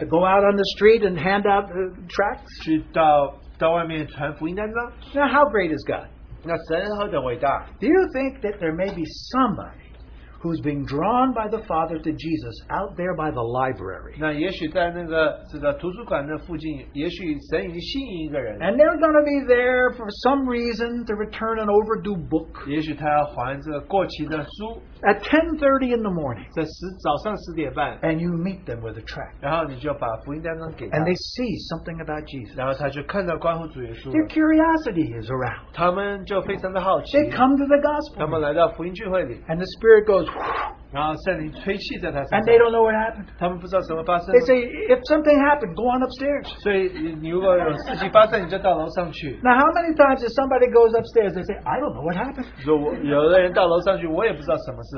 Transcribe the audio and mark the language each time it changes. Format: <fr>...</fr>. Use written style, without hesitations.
<en>To go out on the street and hand out tracts，</en> <zh>去到外面传福音单子。</zh> <en>Now how great is God？</en> <zh>那神何等伟大</zh> <en>！Do you think that there may be somebody？ Who's being drawn by the Father to Jesus out there by the library?</en> <zh>那也许在那个这个图书馆的附近，也许神已经吸引一个人。</zh> <en>And they're going to be there for some reason to return an overdue book.</en> <zh>也许他要还这个过期的书。</zh> <en>At 10:30 in the morning.</en> <zh>早上十点半。</zh> <en>And you meet them with a tract.</en> <zh>然后你就把福音单张给他。</zh> <en>And they see something about Jesus.</en> <zh>然后他就看到关乎主耶稣。</zh> <en>Their curiosity is aroused.</en> <zh>他们就非常的好奇。</zh> <en>They come to the gospel.</en> <zh>他们来到福音聚会里。</zh> <en>And the Spirit goes. And they don't know what happened.</en> <zh>他们不知道什么发生。</zh> <en>They say if something happened, go on upstairs.</en> <zh>所以你如果有事情发生，你就到楼上去。</zh> <en>Now how many times if somebody goes upstairs, they say I don't know what happened.</en> <zh>有的人到楼上去，我也不知道什么事。</zh>